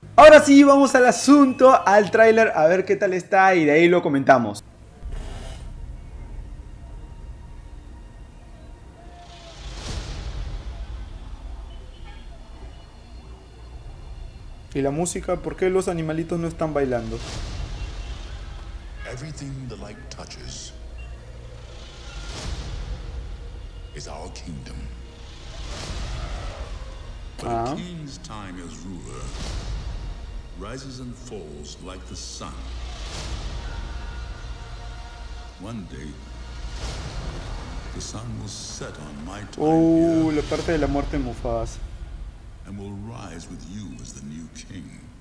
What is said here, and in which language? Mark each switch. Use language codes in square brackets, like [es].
[es] Ahora sí, vamos al asunto, al tráiler, a ver qué tal está y de ahí lo comentamos. ¿Y la música? ¿Por qué los animalitos no están bailando? [en] Everything the light touches is our kingdom. But a king's time as ruler rises and falls like the sun. One day, the sun will set on my time. [es] Oh, la parte de la muerte de Mufasa. [en] And will rise with you as the new king.